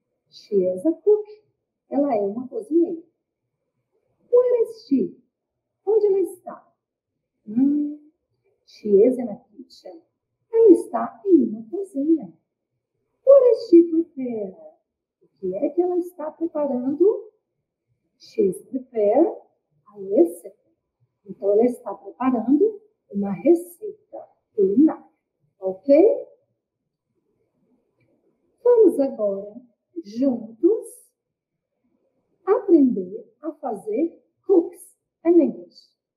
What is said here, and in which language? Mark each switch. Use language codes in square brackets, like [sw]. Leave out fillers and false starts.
[en] She is a cook. [pt] Ela é uma cozinheira. [en] Where is she? [pt] Onde ela está? [en] She is in a kitchen. [pt] Ela está em uma cozinha. [en] What is she preparing? [pt] O que é que ela está preparando? [en] She is preparing a recipe. [pt] Então, ela está preparando uma receita culinária. Ok? Vamos agora, juntos, aprender a fazer cooks em inglês.